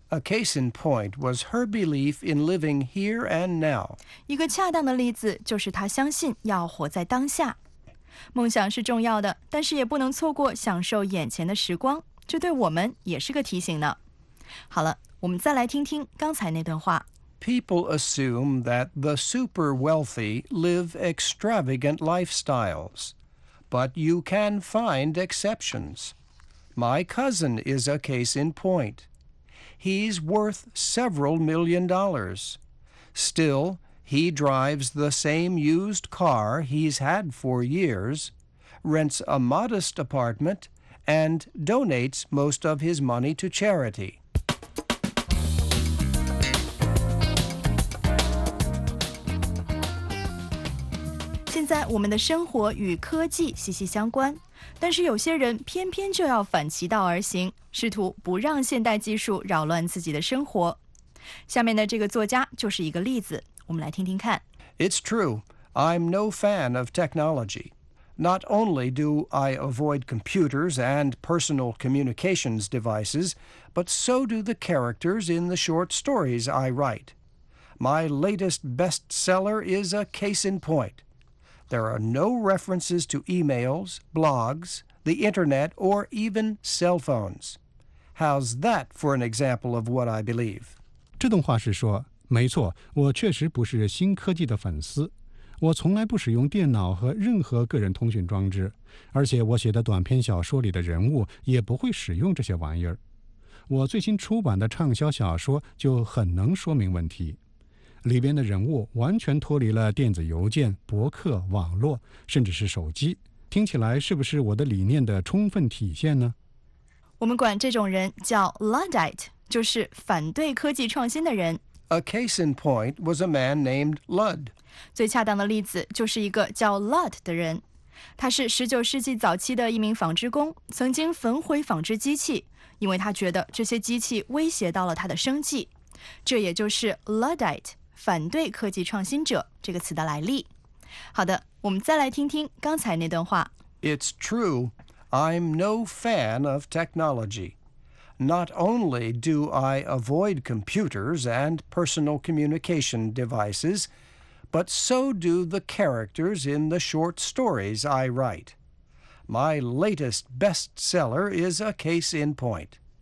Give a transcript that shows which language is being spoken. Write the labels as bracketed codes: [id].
[en] A case in point was her belief in living here and now. [zh] 一个恰当的例子就是她相信要活在当下。梦想是重要的，但是也不能错过享受眼前的时光，这对我们也是个提醒呢。好了，我们再来听听刚才那段话。 [en] People assume that the super wealthy live extravagant lifestyles, but you can find exceptions. My cousin is a case in point. He's worth several million dollars. Still, he drives the same used car he's had for years, rents a modest apartment, and donates most of his money to charity. [zh] 现在我们的生活与科技息息相关，但是有些人偏偏就要反其道而行，试图不让现代技术扰乱自己的生活。下面的这个作家就是一个例子，我们来听听看。 [en] It's true, I'm no fan of technology. Not only do I avoid computers and personal communications devices, but so do the characters in the short stories I write. My latest bestseller is a case in point. There are no references to emails, blogs, the internet, or even cell phones. How's that for an example of what I believe? [zh] 这段话是说，没错，我确实不是新科技的粉丝。我从来不使用电脑和任何个人通讯装置，而且我写的短篇小说里的人物也不会使用这些玩意儿。我最新出版的畅销小说就很能说明问题。里边的人物完全脱离了电子邮件、博客、网络，甚至是手机。听起来是不是我的理念的充分体现呢？我们管这种人叫 Luddite， 就是反对科技创新的人。 [en] A case in point was a man named Ludd. [zh] 最恰当的例子就是一个叫 Ludd 的人。他是19世纪早期的一名纺织工，曾经焚毁纺织机器，因为他觉得这些机器威胁到了他的生计。这也就是 Luddite。反对科技创新者这个词的来历。好的，我们再来听听刚才那段话。 [en] It's true, I'm no fan of technology. Not only do I avoid computers and personal communication devices, but so do the characters in the short stories I write. My latest bestseller is a case in point.